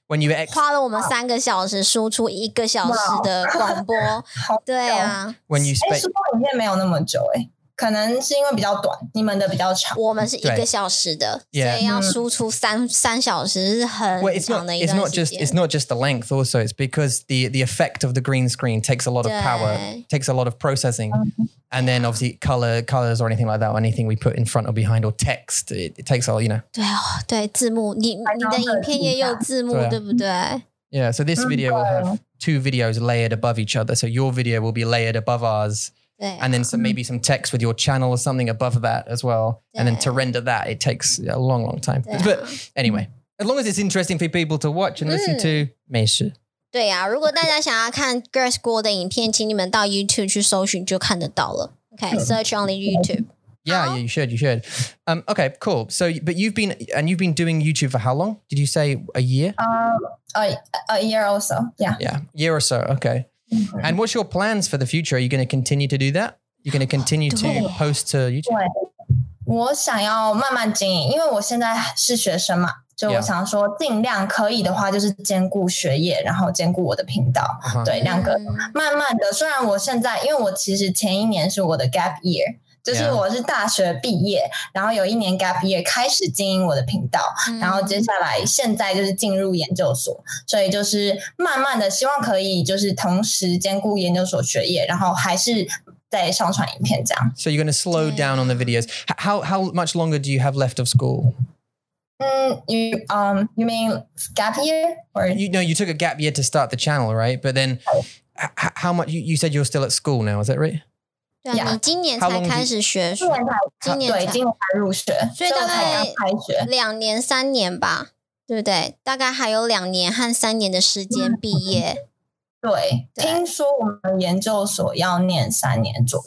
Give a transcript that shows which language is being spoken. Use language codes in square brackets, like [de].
[en] When you [zh] 花了我们三个小时输出一个小时的广播，对啊。 [en] When you [zh] 输出影片没有那么久哎。可能是因为比较短，你们的比较长。我们是一个小时的，所以要输出三小时是很长的一段时间。 [en] Well, it's not just the length also, it's because the effect of the green screen takes a lot of power, takes a lot of processing. And then obviously colors or anything like that, or anything we put in front or behind or text, it takes all, you know. [zh] 对哦，对，字幕，你的影片也有字幕，对不对？ [en] Yeah, so this video will have two videos layered above each other. So your video will be layered above ours. [zh] 对啊、 [en] And then some, maybe some text with your channel or something above that as well. And then to render that, it takes a long, long time.、啊、 But anyway, as long as it's interesting for people to watch and listen to, [zh] 没事。对啊，如果大家想要看 Girls School 的影片，请你们到 YouTube 去搜寻就看得到了。 [en] Okay, search only YouTube. Yeah, you should. Okay, cool. So, but you've been doing YouTube for how long? Did you say a year? A year or so, yeah. Yeah, year or so, okay. And what's your plans for the future? Are you going to continue to do that? You're going to continue to post to YouTube? [zh] 我想要慢慢经营，因为我现在是学生嘛，就我想说尽量可以的话，就是兼顾学业，然后兼顾我的频道。对，两个慢慢的，虽然我现在，因为我其实前一年是我的 gap year。就是我是大学毕业、yeah. 然后有一年 gap year 开始经营我的频道、mm. 然后接下来现在就是进入研究所，所以就是慢慢的希望可以就是同时兼顾研究所学业，然后还是在上传影片这样。 [en] So you're going to slow down on the videos. How much longer do you have left of school? You mean gap year? Or? You took a gap year to start the channel, right? But then how much, you said you're still at school now, is that right? [zh] Yeah. 你今年才开始学书，今年对，今年才入学，所以大概两年三年吧，对不对？大概还有两年和三年的时间毕业。对，听说我们研究所要念三年左右，